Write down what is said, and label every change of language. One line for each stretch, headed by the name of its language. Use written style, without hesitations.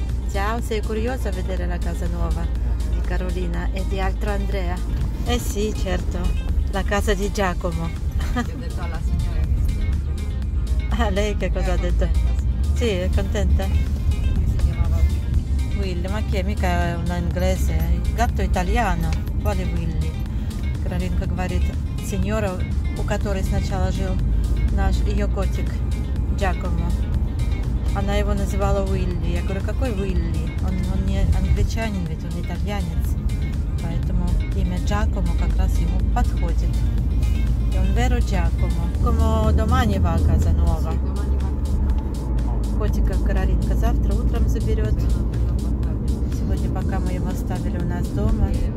Italian: Ciao, sei curiosa a vedere la casa nuova di Carolina e di altro Andrea? Eh sì, certo, la casa di Giacomo. Che ho detto alla signora che si chiama Giacomo. Ah, lei che cosa è ha detto? Contenta, sì. Sì, è contenta? Si chiamava Willy. Willy, ma chi è? Mica è un inglese, è un gatto italiano. Quale Willy?
Russian: Carolina говорит, signora, у которой сначала жил наш ее котик Giacomo. Она его называла Уилли. Я говорю, какой Уилли? Он не англичанин, ведь он итальянец. Поэтому имя Джакомо как раз ему подходит. И он веро Джакомо.
Italian: Como domani va a casa nuova?
Russian: Котика Каролинка завтра утром заберет. Сегодня пока мы его оставили у нас дома.